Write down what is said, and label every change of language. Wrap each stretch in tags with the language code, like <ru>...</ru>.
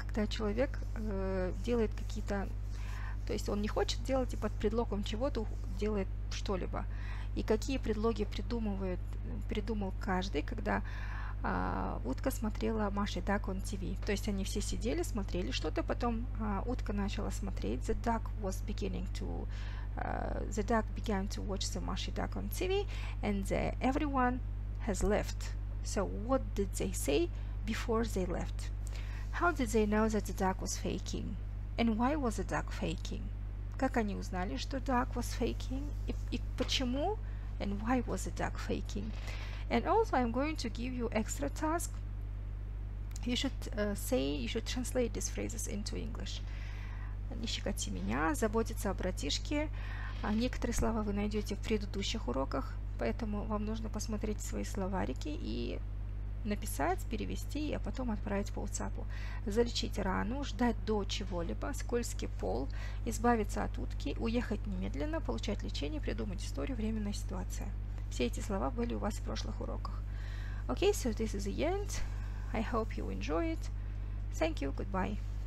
<ru>Когда человек делает какие-то... То есть он не хочет делать, и под предлогом чего-то делает что-либо. И какие предлоги придумал каждый, когда утка смотрела Маши Duck on TV. То есть они все сидели, смотрели что-то, потом утка начала смотреть.</ru> <en>The duck was beginning to... the duck began to watch the Maushy Duck on TV, and everyone has left. So what did they say before they left? How did they know that the duck was faking? And why was the duck faking?</en> <ru>Как они узнали, что</ru> <en>duck was faking?</en> <ru>И почему?</ru> <en>And why was the duck faking? And also, I'm going to give you extra task. You should translate these phrases into English.</en> <ru>Не щекоти меня, заботиться о братишке. Некоторые слова вы найдете в предыдущих уроках, поэтому вам нужно посмотреть свои словарики и написать, перевести, а потом отправить по WhatsApp. Залечить рану, ждать до чего-либо, скользкий пол, избавиться от утки, уехать немедленно, получать лечение, придумать историю, временная ситуация. Все эти слова были у вас в прошлых уроках.</ru> <en>Okay, so this is the end. I hope you enjoy it. Thank you, goodbye.</en>